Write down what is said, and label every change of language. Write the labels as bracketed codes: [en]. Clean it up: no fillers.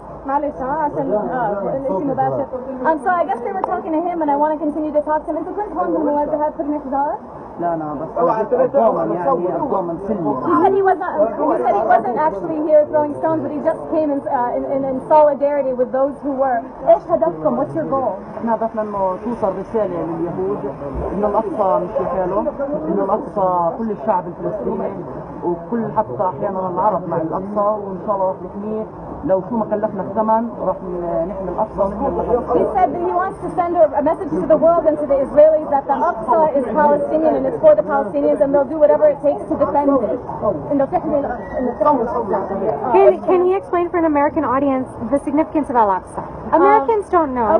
[en] So I guess they were talking to him, and I want to continue to talk to him. Is it Clint Holmes on the web that had put in his car? He said he wasn't actually here throwing stones, but he just came in solidarity with those who were. What's your goal? [ar] إحنا هدفنا إنه توصل رسالة لليهود إنه الأقصى مش لحاله، إنه الأقصى كل الشعب الفلسطيني وكل حتى أحيانا العرب مع الأقصى وإن شاء الله رح نحميه لو شو ما كلفنا الثمن رح نحمي الأقصى. [en] He said that he wants to send a message to the world and to the Israelis that the Aqsa is Palestinian and it's for the Palestinians and they'll do whatever it takes to defend it. Can he explain for an American audience the significance of Al-Aqsa? Americans don't know.